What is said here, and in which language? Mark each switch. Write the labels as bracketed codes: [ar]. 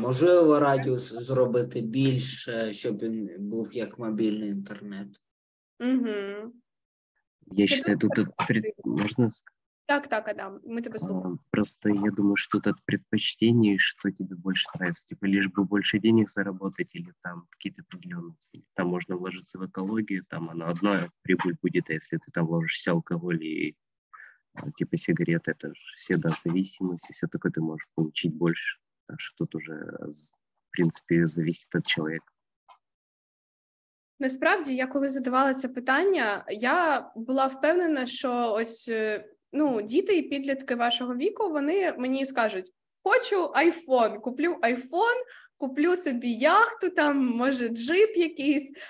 [uk] можливо, радіус зробити більше, щоб він був як мобільний інтернет. Угу. Я вважаю, тут можна сказати? Так, так, Адам, ми тебе слухаємо. Просто я думаю, що тут від предпочтений, що тобі більше нравится. [ru] Типа, [uk] лиш би більше [ru] денег заработать, или там какие-то определенности. Там можна вложиться в екологію, там она одна прибыль буде, а если ты там вложишься алкоголь и типа сигарет, это же всегда зависимость, и все такое ты можешь получить больше. [uk] Так що тут уже, в принципі, залежить від чоловіка. Насправді, я коли задавала це питання, я була впевнена, що ось, ну, діти і підлітки вашого віку, вони мені скажуть, хочу айфон, куплю собі яхту, там, може, джип якийсь.